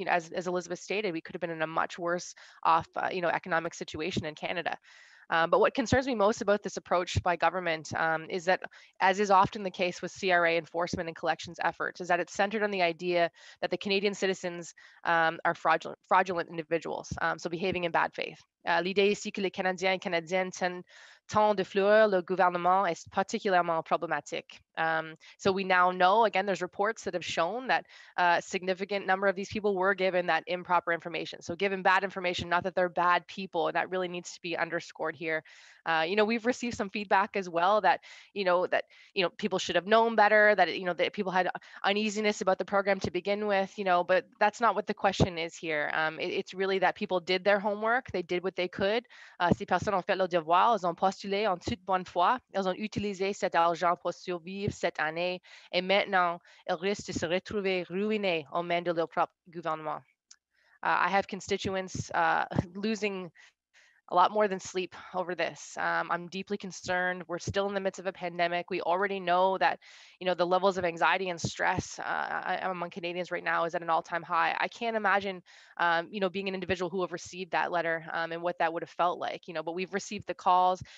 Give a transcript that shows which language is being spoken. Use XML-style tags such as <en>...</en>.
<en>As Elizabeth stated, we could have been in a much worse off economic situation in Canada. But what concerns me most about this approach by government is that, as is often the case with CRA enforcement and collections efforts, is that it's centered on the idea that the Canadian citizens are fraudulent individuals, so behaving in bad faith.</en> <fr>L'idée ici que les Canadiens et Canadiennes tant de fleurs, le gouvernement est particulièrement problématique.</fr> <en>So we now know, again, there's reports that have shown that a significant number of these people were given that improper information. So given bad information, not that they're bad people, and that really needs to be underscored here. You know, we've received some feedback as well that people should have known better, that, you know, that people had uneasiness about the program to begin with, you know, but that's not what the question is here. It's really that people did their homework. They did what they could.</en> <fr>Ces personnes ont fait leur devoir. Elles ont postulé en toute bonne foi. Elles ont utilisé cet argent pour survivre cette année. Et maintenant, elles risquent de se retrouver ruinées aux mains de leur propre gouvernement.</fr> <en>I have constituents losing a lot more than sleep over this. I'm deeply concerned. We're still in the midst of a pandemic. We already know that, you know, the levels of anxiety and stress among Canadians right now is at an all-time high. I can't imagine, you know, being an individual who have received that letter and what that would have felt like, you know, but we've received the calls.</en>